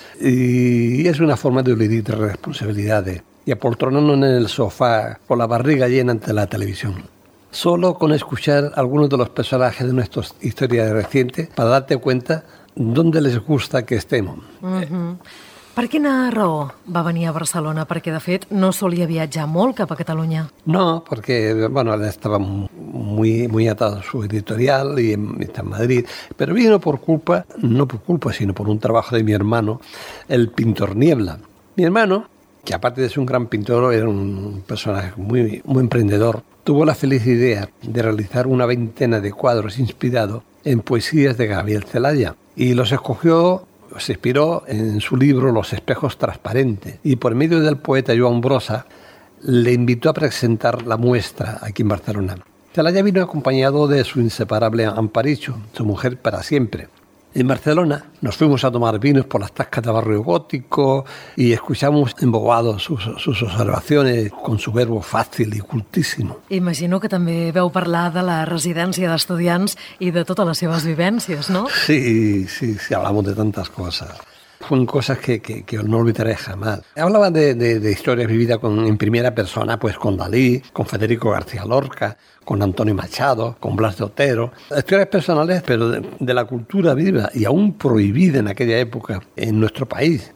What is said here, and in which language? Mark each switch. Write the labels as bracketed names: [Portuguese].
[Spanish] Y es una forma de eludir responsabilidades y apoltronarnos en el sofá con la barriga llena ante la televisión. Solo con escuchar algunos de los personajes de nuestras historias recientes para darte cuenta dónde les gusta que estemos. [Catalan] Per quina raó va venir a Barcelona? Perquè, de fet, no solia viatjar molt cap a Catalunya. No, perquè, [Spanish] bueno, estava muy, muy atado a su editorial y está en Madrid. Pero vino por culpa, no por culpa, sino por un trabajo de mi hermano, el pintor Niebla. Mi hermano, que aparte de ser un gran pintor, era un personaje muy, muy emprendedor, tuvo la feliz idea de realizar una veintena de cuadros inspirados en poesías de Gabriel Celaya. Y los escogió, se inspiró en su libro Los espejos transparentes. Y por medio del poeta Joan Brossa, le invitó a presentar la muestra aquí en Barcelona. Celaya vino acompañado de su inseparable Amparicho, su mujer para siempre. En Barcelona nos fuimos a tomar vinos por las tascas de barrio gótico y escuchamos embobados sus observaciones con su verbo fácil y cultísimo. [Catalan] Imagino que també veu parlar de la residència d'estudiants i de totes les seves vivències, no? [Spanish] Sí, sí, sí, hablamos de tantas cosas. son cosas que no olvidaré jamás. Hablaba de historias vividas en primera persona, pues con Dalí, con Federico García Lorca, con Antonio Machado, con Blas de Otero. Historias personales, pero de la cultura viva y aún prohibida en aquella época en nuestro país.